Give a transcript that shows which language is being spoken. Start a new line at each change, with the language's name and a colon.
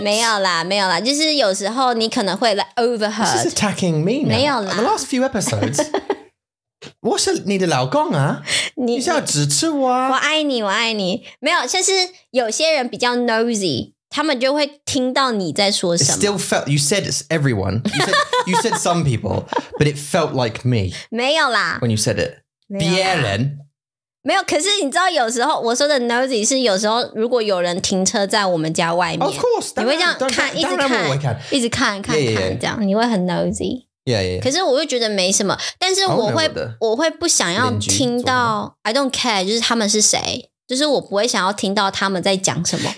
Chinese: 没有啦，没有啦， 就是有时候你可能会
English: like overheard. This is attacking me now.
Chinese: 没有啦。
English: The last few episodes.
Chinese: 我是你的老公啊， 你是要指出我啊。我爱你，我爱你。没有， 像是有些人比较 nosy， 他们就会听到你在说什么。
English: It still felt, you said it's everyone. You said some people, but it felt like me.
Chinese: 没有啦。
English: When you said it.
Chinese: 别人。没有, 可是你知道有时候, 我说的 nosy 是有时候, 如果有人停车在我们家外面,
English: of course,
Chinese: 你会这样看, 一直看, 这样, 你会很 nosy.
English: Yeah.
Chinese: 可是我会觉得没什么, 但是我会, 我会不想要听到,
English: I don't care,
Chinese: 就是他们是谁, 就是我不会想要听到他们在讲什么。